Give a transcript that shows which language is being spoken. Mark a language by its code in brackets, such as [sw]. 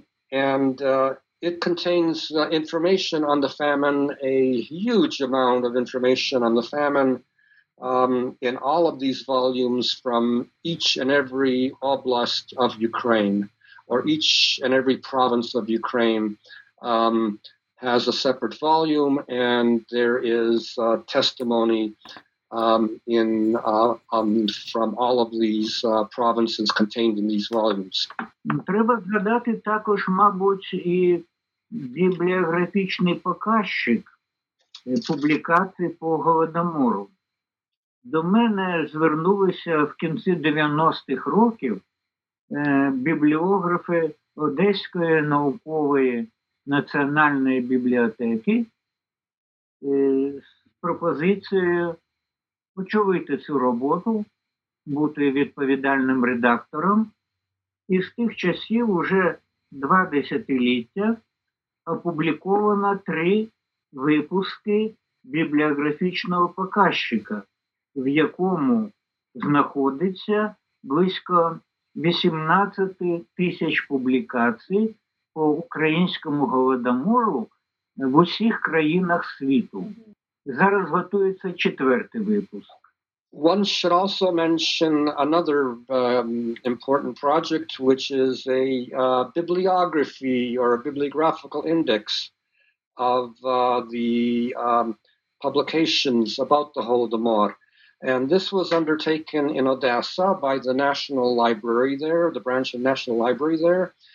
[en] It contains information on the famine, a huge amount of information on the famine in all of these volumes from each and every oblast of Ukraine, or each and every province of Ukraine has a separate volume, and there is testimony from all of these provinces contained in these volumes. [uk] Треба згадати також, мабуть, і бібліографічний показчик публікацій по Голодомору. До мене звернулися в кінці 90-х років бібліографи Одеської наукової національної бібліотеки з пропозицією очолити цю роботу, бути відповідальним редактором. І з тих часів уже два десятиліття опубліковано три випуски бібліографічного показчика, в якому знаходиться близько 18 тисяч публікацій по українському Голодомору в усіх країнах світу. Зараз готується четвертий випуск. [en] One should also mention another important project, which is a bibliography or a bibliographical index of the publications about the Holodomor. And this was undertaken in Odessa by the National Library there, the branch of National Library there.